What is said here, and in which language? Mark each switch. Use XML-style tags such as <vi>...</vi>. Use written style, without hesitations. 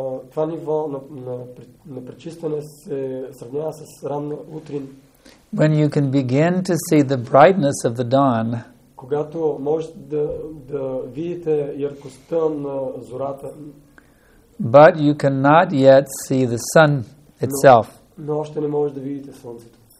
<bg>Това ниво на пречистване се сравнява с ранно утрин.</bg> <en>When you can begin to see the brightness of the dawn,</en> <bg>когато можете да видите яркостта на зората,</bg> <en>but you cannot yet see the sun itself.</en> <bg>Но още не можете да видите слънцето.</bg>